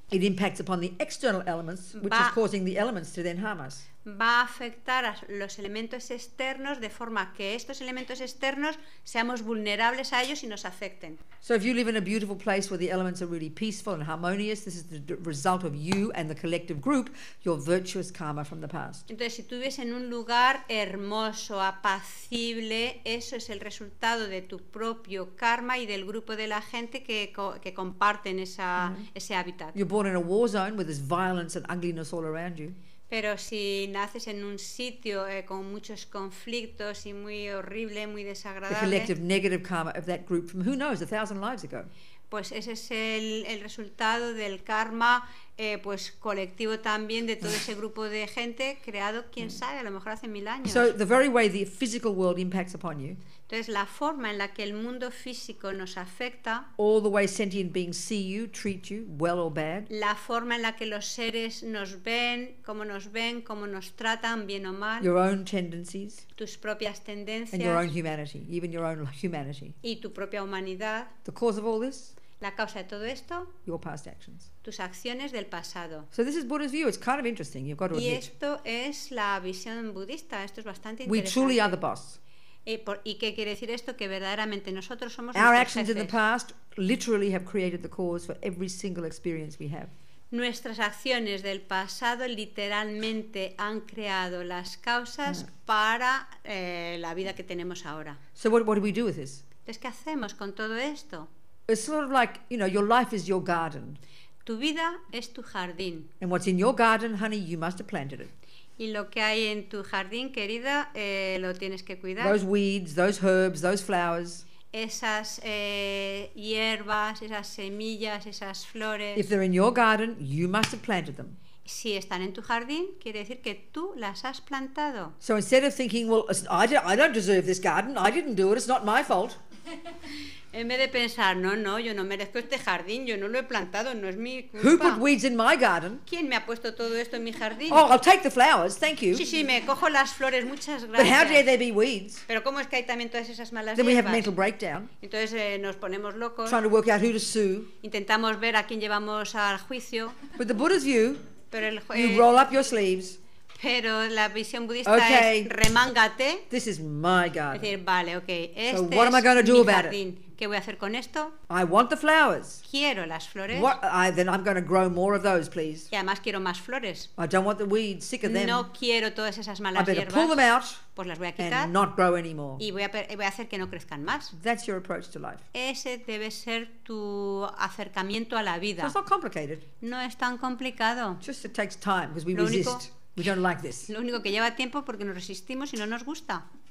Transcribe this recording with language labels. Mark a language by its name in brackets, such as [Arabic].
[English] it impacts upon the external elements, which is causing the elements to then harm us. [Spanish] Va a afectar a los elementos externos de forma que estos elementos externos seamos vulnerables a ellos y nos afecten. [English] So if you live in a beautiful place where the elements are really peaceful and harmonious, this is the result of you and the collective group, your virtuous karma from the past. [Spanish] Entonces, si tú vives en un lugar hermoso, apacible, eso es el resultado de tu propio karma y del grupo de la gente que comparten ese hábitat. [English] You're born in a war zone where there's violence and ugliness all around you. [Spanish] Pero si naces en un sitio con muchos conflictos y muy horrible, muy desagradable, [English] the collective negative karma of that group from who knows, 1,000 lives ago. [Spanish] Pues ese es el resultado del karma pues colectivo también de todo ese grupo de gente creado, quién sabe, a lo mejor hace mil años. [English] So the very way the physical world impacts upon you. [Spanish] Entonces la forma en la que el mundo físico nos afecta. [English] All the way sentient beings see you, treat you, well or bad. [Spanish] La forma en la que los seres nos ven, cómo nos tratan, bien o mal. [English] Your own tendencies. [Spanish] Tus propias tendencias. [English] And your own humanity, even your own humanity. [Spanish] Y tu propia humanidad. [English] The cause of all this. [Spanish] La causa de todo esto. [English] Your past actions. [Spanish] Tus acciones del pasado. [English] So this is Buddha's view. It's kind of interesting. You've got to [Spanish] y [English] admit. [Spanish] Y esto es la visión budista. Esto es bastante [English] we [Spanish] interesante. [English] We truly are the boss. [Spanish] ¿Y qué quiere decir esto? Que verdaderamente nosotros somos [English] our actions [Spanish] jefes. [English] In the past literally have created the cause for every single experience we have. [Spanish] Nuestras acciones del pasado literalmente han creado las causas para la vida que tenemos ahora. [English] So what do we do with this? [Spanish] ¿Es qué hacemos con todo esto? [English] It's sort of like, you know, your life is your garden. [Spanish] Tu vida es tu jardín. [English] And what's in your garden, honey, you must have planted it. [Spanish] Y lo que hay en tu jardín, querida, lo tienes que cuidar. [English] Those weeds, those herbs, those flowers. [Spanish] Esas hierbas, esas semillas, esas flores. [English] If they're in your garden, you must have planted them. [Spanish] Si están en tu jardín, quiere decir que tú las has plantado. [English] So instead of thinking, well, I don't deserve this garden. I didn't do it. It's not my fault. [Spanish] En vez de pensar, no, yo no merezco este jardín, yo no lo he plantado, no es mi culpa. [English] Who put weeds in my garden? [Spanish] ¿Quién me ha puesto todo esto en mi jardín? [English] Oh, I'll take the flowers, thank you. [Spanish] Sí, me cojo las flores, muchas gracias. [English] But how dare there be weeds? [Spanish] Pero ¿cómo es que hay también todas esas malas hierbas? [English] Then we have a mental breakdown. [Spanish] Entonces nos ponemos locos. [English] Trying to work out who to sue. [Spanish] Intentamos ver a quién llevamos al juicio. [English] But the Buddha's view, [Spanish] pero el [English] you roll up your sleeves. [Spanish] Pero la visión budista okay, es remángate. [English] This is my garden. [Spanish] Es decir, vale, okay, este [English] so what am I going to do about [Spanish] jardín. [English] It? [Spanish] ¿Qué voy a hacer con esto? [English] I want the flowers. [Spanish] Quiero las flores. [English] What, then I'm going to grow more of those, please. [Spanish] Y además quiero más flores. [English] I don't want the weeds, sick of them. [Spanish] No quiero todas esas malas hierbas. [English] I better pull them out. [Spanish] Pues las voy a quitar. [English] And not grow anymore. [Spanish] Y voy a hacer que no crezcan más. [English] That's your approach to life. [Spanish] Ese debe ser tu acercamiento a la vida. [English] So it's not complicated. [Spanish] No es tan complicado. [English] Just it takes time because we resist. We don't like this. [Spanish] Lo único que lleva tiempo porque nos resistimos y no nos gusta.